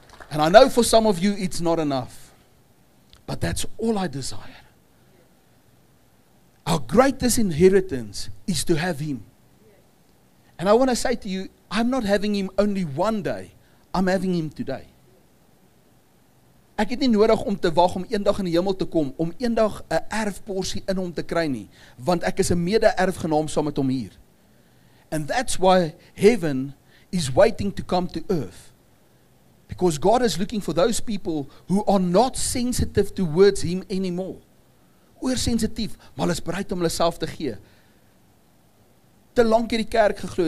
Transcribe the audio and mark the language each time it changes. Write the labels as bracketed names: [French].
[English] And I know for some of you it's not enough, but that's all I desire. Our greatest inheritance is to have him. And I want to say to you, I'm not having him only one day. I'm having him today. [Afrikaans] Ek het nie nodig om te wag om eendag in die hemel te kom, om eendag 'n erfporsie in hom te kry nie, want ek is 'n mede-erfgenaam saam met hom hier. [English] And that's why heaven is waiting to come to earth. Because God is looking for those people who are not sensitive towards him anymore. [Afrikaans] Oorsensitief, maar hulle is bereid om hulle self te gee. Te lank hier die kerk geglo.